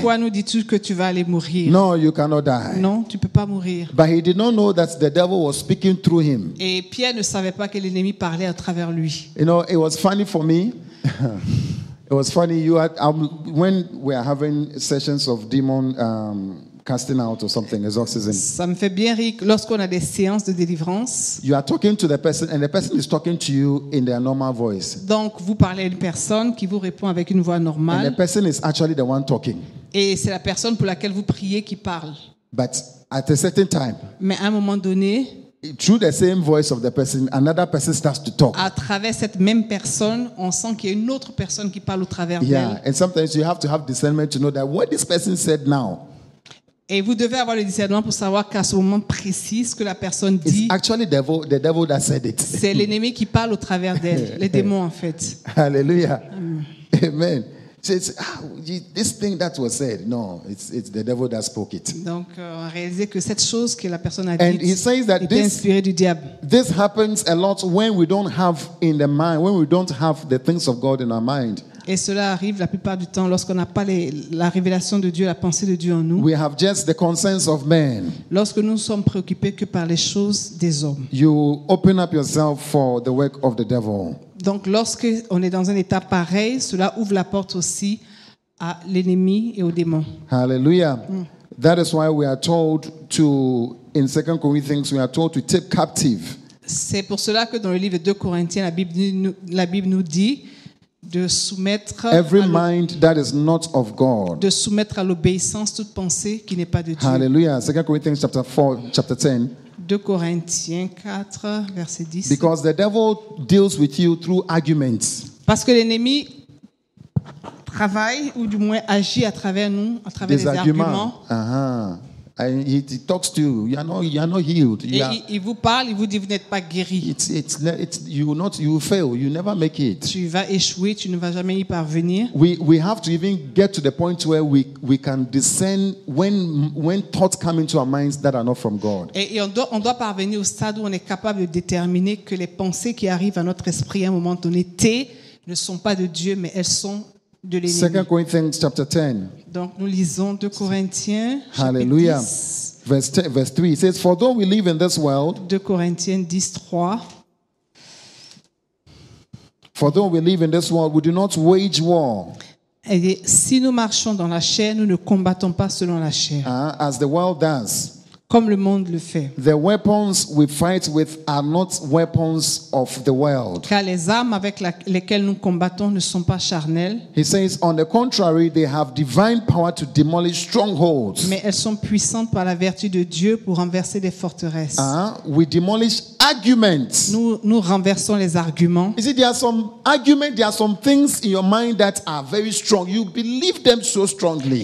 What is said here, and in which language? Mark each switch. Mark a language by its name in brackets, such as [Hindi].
[French] Pourquoi nous dis-tu que tu vas aller mourir? [English] No, you cannot die. [French] Non, tu ne peux pas mourir. [English] But he did not know that the devil was speaking through him. [French] Et Pierre ne savait pas que l'ennemi parlait à travers lui. [English] You know, it was funny for me. It was funny. You had, when we are having sessions of demon casting out or something, exorcism. [French] Ça me fait bien rire lorsqu'on a des séances de délivrance. [English] You are talking to the person, and the person is talking to you in their normal voice. [French] Donc, vous parlez à une personne qui vous répond avec une voix normale. [English] And the person is actually the one talking. [French] Et c'est la personne pour laquelle vous priez qui parle. [English] But at a certain time. [French] Mais à un moment donné. [English] Through the same voice of the person, another person starts to talk. [French] À travers cette même personne, on sent qu'il y a une autre personne qui parle au travers d'elle. [English] Yeah, and sometimes you have to have discernment to know that what this person said now. [French] Et vous devez avoir le discernement pour savoir qu'à ce moment précis, ce que la personne dit. [English] It's actually the devil that said it. [French] C'est l'ennemi qui parle au travers d'elle, les démons en fait. Hallelujah. Amen. [English] So it's, this thing that was said, no, it's the devil that spoke it. [French] Donc, on réalise que cette chose que la personne a dit [English] and he says that [French] était inspirée du diable. [English] This happens a lot when we don't have in the mind, when we don't have the things of God in our mind. [French] Et cela arrive la plupart du temps lorsqu'on n'a pas la révélation de Dieu, la pensée de Dieu en nous. [English] We have just the concerns of men. [French] Lorsque nous sommes préoccupés que par les choses des hommes. [English] You open up yourself for the work of the devil. [French] Donc lorsque on est dans un état pareil, cela ouvre la porte aussi à l'ennemi et aux démons. Hallelujah. Mm. [English] That is why we are told to in 2 Corinthians we are told to take captive. [French] C'est pour cela que dans le livre de 2 Corinthiens la Bible nous dit de soumettre [English] every mind that is not of God. [French] De soumettre à l'obéissance toute pensée qui n'est pas de Dieu. [English] Hallelujah. 2 Corinthians chapter 4 chapter 10. [French] 2 Corinthiens 4 verset 10. [English] Because the devil deals with you through arguments. [French] Parce que l'ennemi travaille ou du moins agit à travers nous, à travers des les arguments. [English] And he talks to you. You are not healed. You are, [French] il vous parle, il vous dit vous n'êtes pas guéri. [English] You will fail. You never make it. [French] Tu vas échouer. Tu ne vas jamais y parvenir. [English] We have to even get to the point where we can discern when thoughts come into our minds that are not from God. [French] Et on doit parvenir au stade où on est capable de déterminer que les pensées qui arrivent à notre esprit à un moment donné ne sont pas de Dieu, mais elles sont de l'ennemi. [English] 2 Corinthians chapter 10. [French] Donc nous lisons 2 Corinthiens. Hallelujah. [English] Verse 3. It says, for though we live in this world. [French] 2 Corinthiens 10, 3. [English] For though we live in this world, we do not wage war. [French] Et si nous marchons dans la chair, nous ne combattons pas selon la chair. [English] As the world does. [French] Comme le monde le fait. [English] The weapons we fight with are not weapons of the world. [French] Car les armes avec lesquelles nous combattons ne sont pas charnelles. [English] He says, on the contrary, they have divine power to demolish strongholds. [French] Mais elles sont puissantes par la vertu de Dieu pour renverser des forteresses. [English] We demolish arguments. [French] Nous renversons les arguments. [English] You see, there are some arguments, there are some things in your mind that are very strong. You believe them so strongly.